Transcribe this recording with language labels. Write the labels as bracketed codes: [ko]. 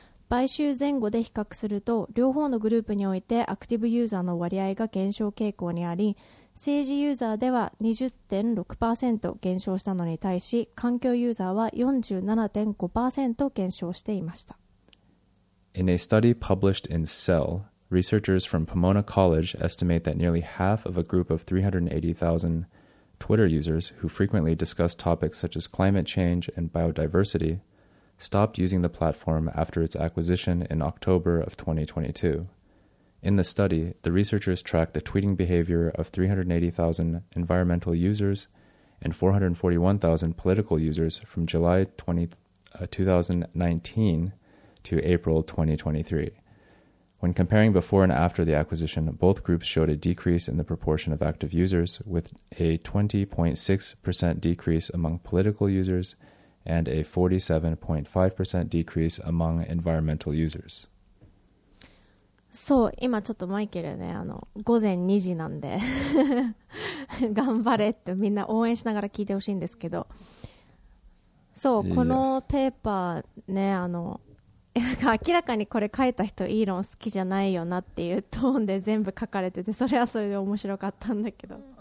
[ja] 買収前後で比較すると両方のグループにおいてアクティブユーザーの割合が減少傾向にあり、政治ユーザーでは 20.6% 減少したのに対し、環境ユーザーは 47.5% 減少していました。 [en] In a study published in Cell, researchers from Pomona College estimate that nearly half of a group of 380,000 Twitter users who frequently discuss topics such as climate change and biodiversity stopped using the platform after its acquisition in October of 2022. In the study, the researchers tracked the tweeting behavior of 380,000 environmental users and 441,000 political users from July 2019 to April 2023. When comparing before and after the acquisition, both groups showed a decrease in the proportion of active users, with a 20.6% decrease among political users and a 47.5% decrease among environmental users. [ja] そう、今ちょっとマイケルね、午前2時なんで頑張れってみんな応援しながら聞いてほしいんですけど、そう、このペーパーね、明らかにこれ書いた人イーロン好きじゃないよなっていうトーンで全部書かれてて、それはそれで面白かったんだけど、